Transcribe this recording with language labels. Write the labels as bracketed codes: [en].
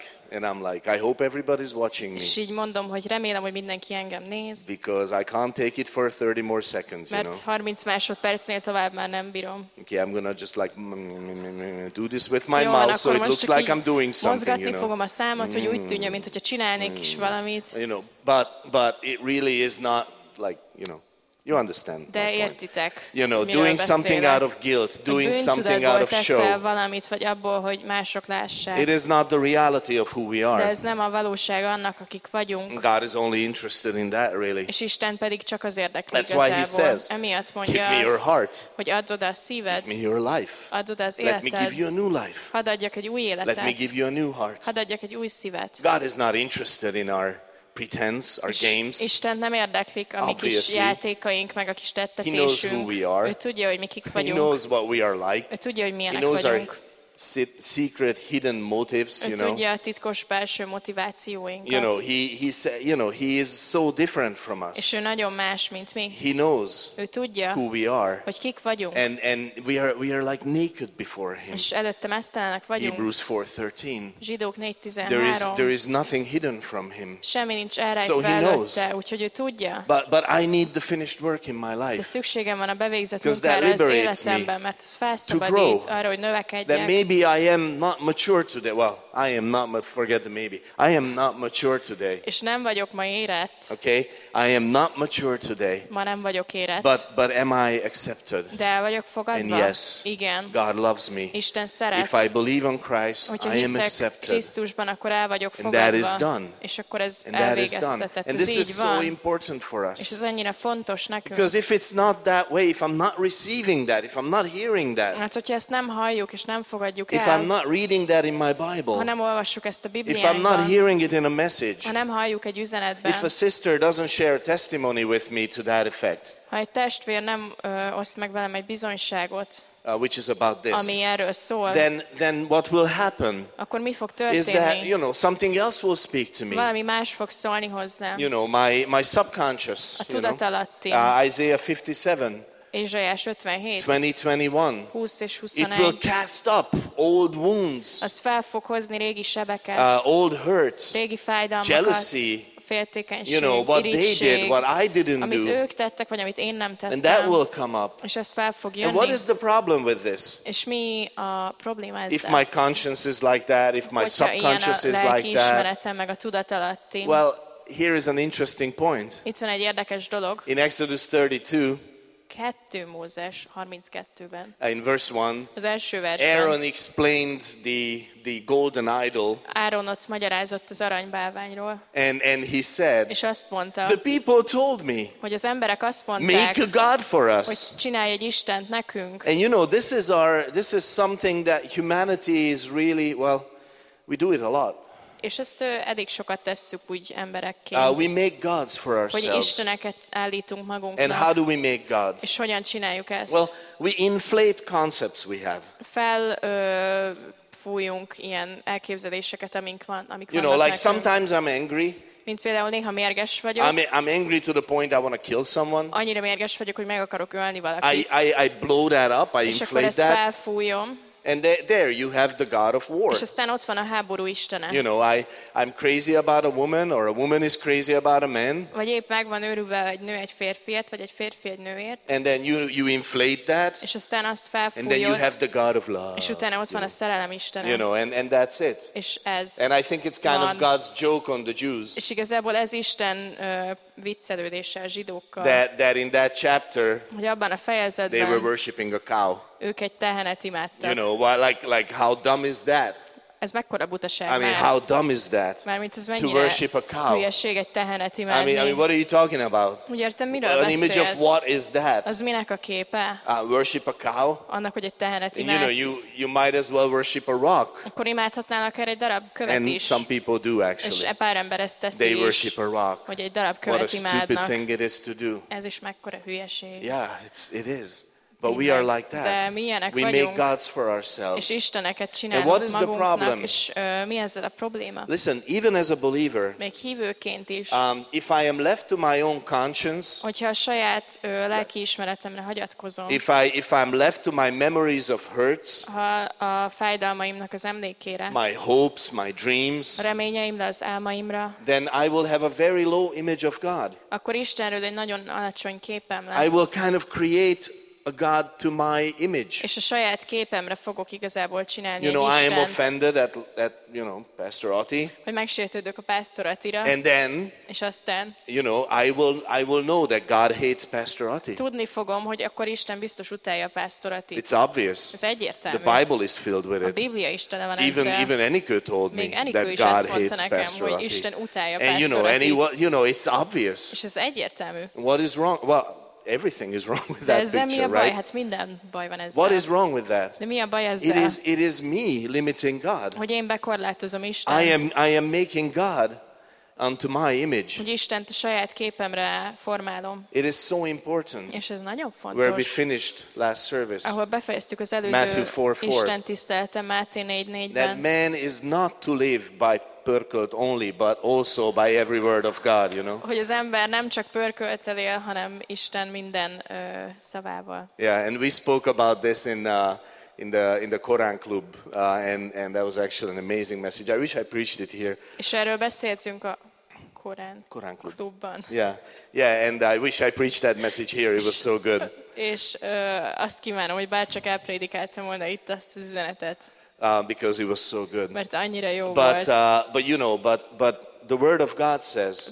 [en] And I'm like, I hope everybody's watching me. [hu] És így mondom, hogy remélem, hogy mindenki engem néz. [en] Because I can't take it for 30 more seconds, you know. [hu] Mert 30 másodpercnél tovább már nem bírom. [en] Okay, I'm gonna just like do this with my mouth, so it looks like I'm doing something, you know. [hu] Mozgatni fogom a számot, hogy úgy tűnjön, mintha csinálnék is valamit. [en] You know, but it really is not like, you know. You understand? [hu] De értitek. [en] You know, doing something out of guilt, doing something out of show. [hu] Valamit, vagy abból, hogy mások lássák. [en] It is not the reality of who we are. [hu] De ez nem a valóság annak, akik vagyunk. [en] God is only interested in that, really. [hu] És Isten pedig csak az érdekli. [en] That's why he says, [hu] emiatt mondja, [en] give me your heart. [hu] Hogy add oda a szíved. [en] Give me your life. [hu] Add oda az életed. [en] Let me give you a new life. [hu] Hadd adjak egy új életet. [en] Let me give you a new heart. [hu] Hadd adjak egy új szívet. [en] God is not interested in our pretense, our games. [hu] Isten nem érdeklik a mi kis játékaink, meg a kis tettetésünk. [en] He knows who we are. [hu] Ő tudja, hogy mi kik vagyunk. [en] He knows what we are like. [hu] Ő tudja, hogy milyenek vagyunk. [en] He knows [hu] vagyunk. [en] Our secret, hidden motives. [hu] Ő tudja a titkos belső motivációinkat. [en] You know, he is so different from us. [hu] És ő nagyon más, mint mi. [en] He knows. [hu] Ő tudja, [en] who we are. [hu] Hogy kik vagyunk. [en] And we are like naked before him. [hu] És előtte mesztelenek vagyunk. [en] Hebrews 4:13. [hu] Zsidók 4:13. [en] There is nothing hidden from him. [hu] Semmi nincs elrejtve előtte, úgyhogy ő tudja. [en] But I need the finished work in my life. [hu] De szükségem van a bevégzett munkára az életemben, mert ez felszabadít arra, hogy növekedjek. [en] Maybe I am not mature today. Well, I am not, but forget the maybe. I am not mature today. [hu] És nem vagyok ma érett. [en] Okay? I am not mature today. [hu] Ma nem vagyok érett. [en] But am I accepted? [hu] De vagyok fogadva. [en] And yes, [hu] igen. [en] God loves me. [hu] Isten szeret. [en] If I believe on Christ, I am accepted. [hu] Krisztusban, akkor el vagyok fogadva. [en] And that is done. [hu] És akkor ez elvégeztetett. [en] And this is so important for us. [hu] És ez annyira fontos nekünk. [en] Because if it's not that way, if I'm not receiving that, if I'm not hearing that, [hu] hát, hogyha ezt nem halljuk, és nem fogadjuk, [en] if I'm not reading that in my Bible, [hu] ha nem olvassuk ezt a Bibliánkban, [en] if I'm not hearing it in a message, [hu] ha nem halljuk egy üzenetben, [en] if a sister doesn't share a testimony with me to that effect, [hu] ha egy testvér nem oszt meg velem egy bizonyságot, [en] which is about this, [hu] ami erről szól, [en] then what will happen, [hu] akkor mi fog történni, [en] is that, you know, something else will speak to me, [hu] valami más fog szólni hozzám, [en] you know, my subconscious, [hu] a tudatalatti, [en] Isaiah 57. [hu] Ézsaiás 57. [en] 2021. [hu] 20 és 21. [en] It will cast up old wounds. [hu] Az fel fog hozni régi sebeket. [en] Old hurts. [hu] Régi fájdalmakat. [en] Jealousy. [hu] Féltékenység. [en] You know what they did, what I didn't do. [hu] Amit ők tettek, vagy amit én nem tettem. [en] And that will come up. [hu] És ez fel fog jönni. [en] And what is the problem with this? [hu] És mi a probléma ezzel? [en] If my conscience is like that, if my subconscious is like that. [hu] Hogyha ilyen a lelki ismeretem, meg a tudatalatti. [en] Well, here is an interesting point. [hu] Itt van egy érdekes dolog. [en] In Exodus 32. [hu] 2 Mózes 32-ben. [en] In verse 1. [hu] Az első versben. [en] Aaron explained the golden idol. [hu] Áron ott magyarázott az aranybálványról. [en] And he said. [hu] És azt mondta. [en] The people told me. [hu] Hogy az emberek azt mondták. [en] Make a god for us. [hu] Hogy csinálj egy istent nekünk. [en] And you know, this is something that humanity is really, well, we do it a lot. [hu] És ezt eddig sokat tesszük úgy emberekként. [en] We make gods for ourselves. [hu] Hogy isteneket állítunk magunknak. [en] And how do we make gods? [hu] És hogyan csináljuk ezt? [en] Well, we inflate concepts we have. [hu] Felfújunk ilyen elképzeléseket, amik vannak. [en] You know, like [hu] nekünk. [en] Sometimes I'm angry. [hu] Mint például néha mérges vagyok. [en] I'm angry to the point I want to kill someone. [hu] Annyira mérges vagyok, hogy meg akarok ölni valakit. [en] I blow that up, I inflate that. [hu] És akkor ezt felfújom. [en] And there you have the god of war. [hu] És aztán ott van a háború istene. [en] You know, I'm crazy about a woman, or a woman is crazy about a man. [hu] Vagy épp meg van őrülve egy nő egy férfiért, vagy egy férfi egy nőért. [en] And then you inflate that. [hu] És aztán azt felfújod. [en] And then you have the god of love. [hu] És utána ott van a szerelem istene. [en] You know, and that's it. [hu] És ez. [en] And I think it's kind of God's joke on the Jews. [hu] És igazából ez Isten viccelődése a zsidókkal. [en] That in that chapter. [hu] Hogy abban a fejezetben. [en] They were worshiping a cow. [hu] Ők egy tehenet imádtak. [en] You know, why, like how dumb is that? Ez mekkora butaság? I mean, how dumb is that? [hu] Mármint ez mennyire [en] to worship a cow? [hu] Hülyeség egy tehenet imádni. [en] I mean, what are you talking about? [hu] Úgy értem, miről [en] an [hu] beszélsz? [en] Image of what is that? [hu] Az minek a képe? [en] Worship a cow? [hu] Annak, hogy egy tehenet imádsz. [en] You know, you might as well worship a rock. [hu] Akkor imádhatnál akár egy darab követ [en] and [hu] is. [en] And some people do actually. [hu] És e pár ember ezt teszi. [en] They worship a rock. [hu] Hogy egy darab követ imádnak. [en] What a stupid thing it is to do. [hu] Ez is mekkora hülyeség. [en] Yeah, it is. But we are like that. We make gods for ourselves. [hu] És isteneket csinálunk. [en] And what is the problem? [hu] És mi ezzel a probléma? [en] Listen, even as a believer, [hu] még hívőként is, [en] if I am left to my own conscience, [hu] hogyha a saját lelki ismeretemre hagyatkozom, [en] if I'm left to my memories of hurts, [hu] ha a fájdalmaimnak az emlékére, [en] my hopes, my dreams, [hu] reményeimre, az álmaimra, [en] then I will have a very low image of God. [hu] Akkor Istenről egy nagyon alacsony képem lesz. [en] I will kind of create a God to my image. [hu] És a saját képemre fogok igazából csinálni. [en] You know, I am offended at you know, Pastor Ati. [hu] Hogy megsértődök a Pastor Atira. [en] And then, [hu] és aztán, [en] you know, I will know that God hates Pastor Ati. [hu] Tudni fogom, hogy akkor Isten biztos utálja a Pastor Ati. [en] It's obvious. [hu] Ez egyértelmű. [en] The Bible is filled with it. [hu] A Biblia is tele van ezzel. [en] Even Eniko told me that God hates Pastor Ati. [hu] Hogy Isten utálja [en] and you know, Pastor Ati. You know, it's obvious. [hu] És ez egyértelmű. [en] What is wrong? Well, everything is wrong with that picture, right? [hu] Baj? Hát minden baj van ezzel. [en] What is wrong with that? [hu] De mi a baj ezzel? [en] It is me limiting God. [hu] Hogy én bekorlátozom Istent. [en] I am making God unto my image. [hu] Hogy Istent a saját képemre formálom. [en] It is so important. [hu] És ez nagyon fontos. [en] Where we finished last service. [hu] Ahol befejeztük az előző Isten tiszteletet, Máté 4:4-ben. [en] That man is not to live by pörkölt only, but also by every word of God, you know. [hu] Hogy az ember nem csak pörköltel él, hanem Isten minden szavával. [en] Yeah, and we spoke about this in the Korán Club, and that was actually an amazing message. I wish I preached it here. [hu] És erről beszéltünk a Korán Klubban. [en] Yeah, and I wish I preached that message here. It was so good. [hu] És azt kívánom, hogy bárcsak elprédikáltam volna itt azt az üzenetet. [en] Because it was so good. [hu] Mert annyira jó [en] but, [hu] volt. [en] But you know, but the word of God says,